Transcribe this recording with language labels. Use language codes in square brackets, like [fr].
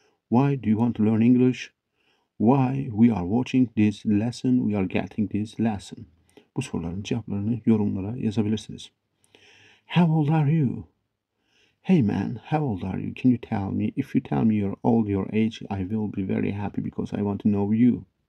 [en] Why do you want to learn English? Why we are watching this lesson? We are getting this lesson. [tr] Bu soruların cevaplarını yorumlara yazabilirsiniz. [en] How old are you? Hey man, how old are you? Can you tell me? If you tell me your old your age, I will be very happy because I want to know you.